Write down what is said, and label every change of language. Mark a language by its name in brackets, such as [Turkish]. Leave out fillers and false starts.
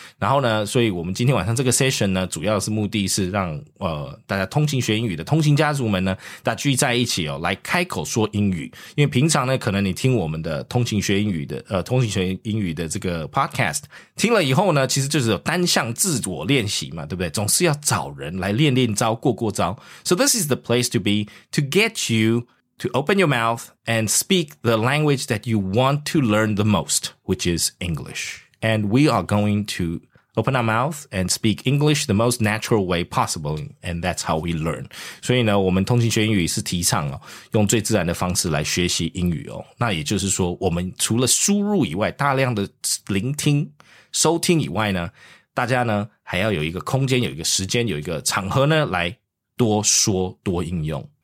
[Chinese] 然后呢，所以我们今天晚上这个 session 呢，主要是目的是让大家通勤学英语的通勤家族们呢，大家聚在一起哦，来开口说英语。因为平常呢，可能你听我们的通勤学英语的这个 podcast 听了以后呢，其实就是有单向自我练习嘛，对不对？总是要找人来练练招，过过招。 [English] So this is the place to be to get you. To open your mouth and speak the language that you want to learn the most, which is English. And we are going to open our mouth and speak English the most natural way possible, and that's how we learn. [Chinese] 所以呢，我们通勤学英语是提倡哦，用最自然的方式来学习英语哦。那也就是说，我们除了输入以外，大量的聆听、收听以外呢，大家呢还要有一个空间、有一个时间、有一个场合呢，来多说、多应用。